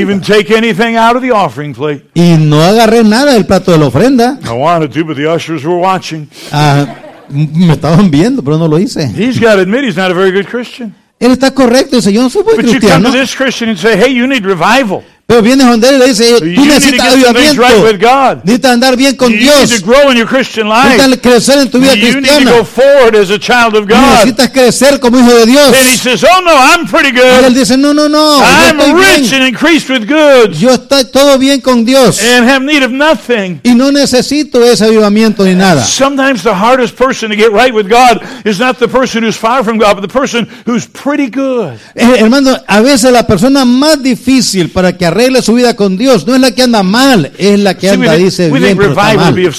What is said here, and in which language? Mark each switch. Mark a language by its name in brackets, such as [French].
[English] Even take anything out of the offering plate. [Spanish] Y no agarré nada del plato de la ofrenda. [English] I wanted to, but the ushers were watching. [Spanish] Me estaban viendo, pero no lo hice. [English] He's got to admit he's not a very good Christian. [Spanish] Él está correcto, dice, yo no soy buen [English] but [Spanish] cristiano. [English] But you come to this Christian and say, hey, you need revival. [Spanish] Pero viene donde él y le dice, tú necesitas avivamiento. Necesitas andar bien con Dios. Necesitas crecer en tu vida cristiana. Necesitas crecer como hijo de Dios. [English] And he says, oh, no, I'm pretty good. [Spanish] Y él dice, no, [English] I'm rich and increased with goods. [Spanish] Yo estoy todo bien con Dios. [English] And have need of nothing. [Spanish] Y no necesito ese avivamiento ni nada. [English] Sometimes the hardest person to get right with God is not the person who's far from God, but the person who's pretty good. [Spanish] Hermano, a veces la persona más difícil para que arregle su vida con Dios no es la que anda mal, es la que anda, dice bien, pero está mal.